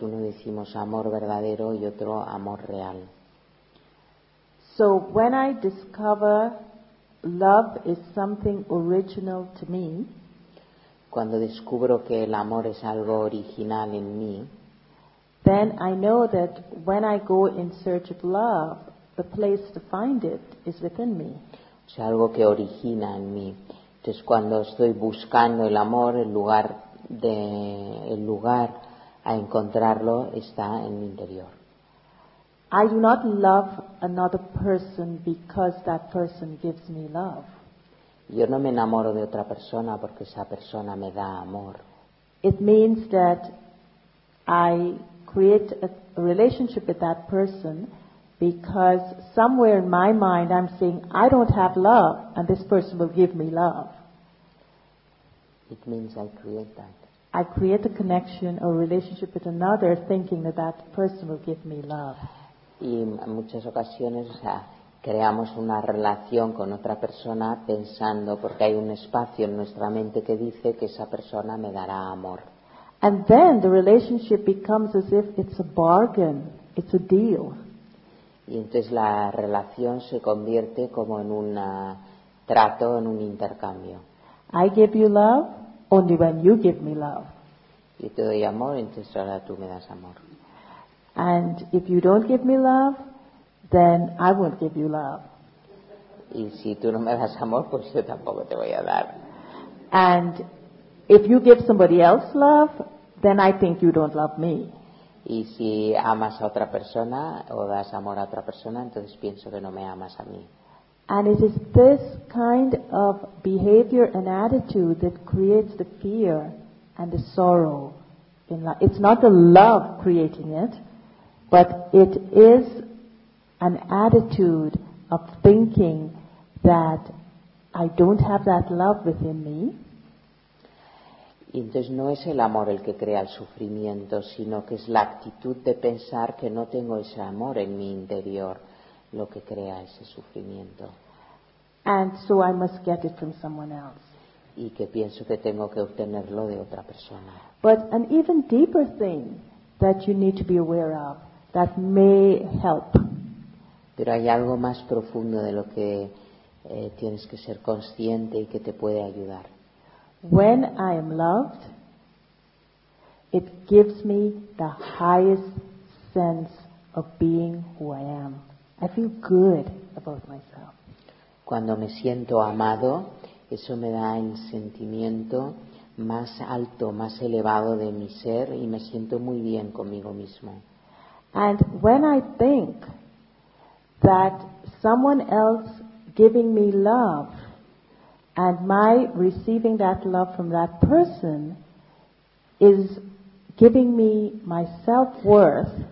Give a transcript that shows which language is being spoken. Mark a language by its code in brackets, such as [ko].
[es] Uno decimos amor verdadero y otro amor real. [en] So when I discover love is something original to me, [es] cuando descubro que el amor es algo original en mí, [en] then I know that when I go in search of love, the place to find it is within me. [es] O sea, algo que origina en mí. Entonces, cuando estoy buscando el amor, el lugar a encontrarlo está en mi interior. [en] I do not love another person because that person gives me love. [es] Yo no me enamoro de otra persona porque esa persona me da amor. [en] It means that I create a relationship with that person because somewhere in my mind I'm saying I don't have love and this person will give me love. It means I create that. I create a connection or relationship with another thinking that that person will give me love. [es] Y en muchas ocasiones, o sea, creamos una relación con otra persona pensando, porque hay un espacio en nuestra mente que dice que esa persona me dará amor. [en] And then the relationship becomes as if it's a bargain, it's a deal. [es] Y entonces la relación se convierte como en un trato, en un intercambio. [en] I give you love only when you give me love. [es] Yo te doy amor, entonces ahora tú me das amor. [en] And if you don't give me love, then I won't give you love. [es] Y si tú no me das amor, pues yo tampoco te voy a dar. [en] And if you give somebody else love, then I think you don't love me. [es] Y si amas a otra persona o das amor a otra persona, entonces pienso que no me amas a mí. [en] And it is this kind of behavior and attitude that creates the fear and the sorrow in love. It's not the love creating it, but it is an attitude of thinking that I don't have that love within me. [es] Y entonces no es el amor el que crea el sufrimiento, sino que es la actitud de pensar que no tengo ese amor en mi interior lo que crea ese sufrimiento. [en] And so I must get it from someone else. [es] Y que pienso que tengo que obtenerlo de otra persona. [en] But an even deeper thing that you need to be aware of that may help. [es] Pero hay algo más profundo de lo que tienes que ser consciente y que te puede ayudar. [en] When I am loved, it gives me the highest sense of being who I am. I feel good about myself. [es] Cuando me siento amado, eso me da el sentimiento más alto, más elevado de mi ser y me siento muy bien conmigo mismo. [en] And when I think that someone else giving me love and my receiving that love from that person is giving me my self-worth.